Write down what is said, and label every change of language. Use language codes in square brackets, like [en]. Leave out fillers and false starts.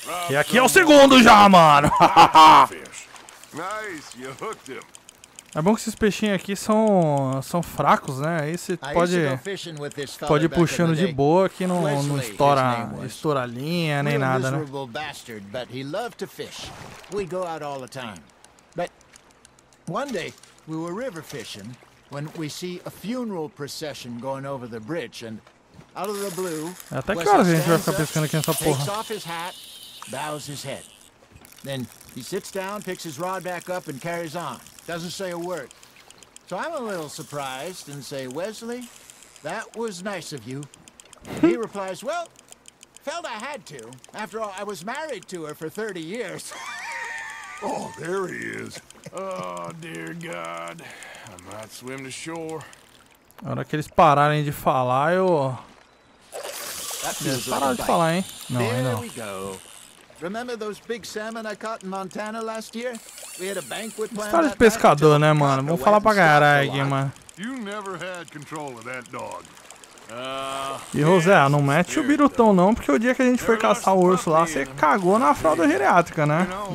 [pt] E aqui é o segundo já, mano. [en] Nice, you hooked him. [pt] É bom que esses peixinhos aqui são fracos, né? Aí você pode ir puxando de boa que não estoura a linha nem nada, né? [en] Bastard, but he loved to fish. We go out all the time. But one day we were river fishing when we see a funeral procession going over the bridge and out of the blue. [pt] Até que horas a gente vai ficar pescando aqui nessa porra? [en] Takes off his hat, bows his head. Then he sits down, picks his rod back up and carries on. Doesn't say a word. So I'm a little surprised and say, Wesley, that was nice of you. He replies, well, felt I had to. After all, I was married to her for 30 years. Oh, there he is. Oh, dear God. I might swim to shore. [pt] Na hora que eles pararem de falar, eu... Pararam de falar, hein? Não, [en] there [pt] não. [en] We go. Remember those big salmon I caught in Montana last year? We had a banquet planned. [pt] Cara de pescador, né, mano? Vamos falar pra galera aí, mano. [en] You never had control of that dog. [pt] E José, não mete o birutão não, porque o dia que a gente foi caçar o urso lá, você cagou na fralda geriátrica, né?